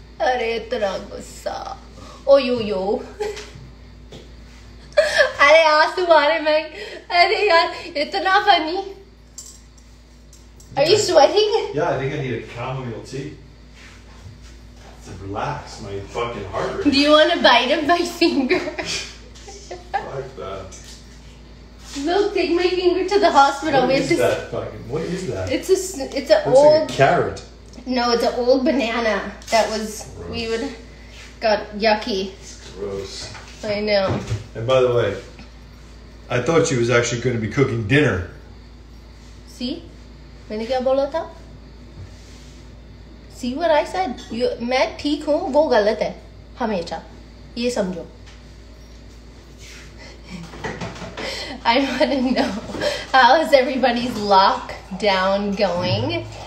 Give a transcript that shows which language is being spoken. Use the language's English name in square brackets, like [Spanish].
[Hindi] अरे इतना गुस्सा. [English] Oh, yo. [Hindi] अरे आँसू आ रहे हैं. अरे यार, इतना funny. [English] Are you sweating? Yeah, I think I need a chamomile tea. Relax my fucking heart rate. Do you want a bite of my finger? Like that. Look, take my finger to the hospital. What is that fucking? What is that? It's a looks old like a carrot. No, it's an old banana that was gross. We would got yucky. It's gross. I know. And by the way, I thought she was actually going to be cooking dinner. See, [Hindi] मैंने क्या बोला था? [English] See what I said? You, [Hindi] मैं ठीक हूँ वो गलत है हमेशा ये समझो. [English] I want to know how is everybody's lockdown going?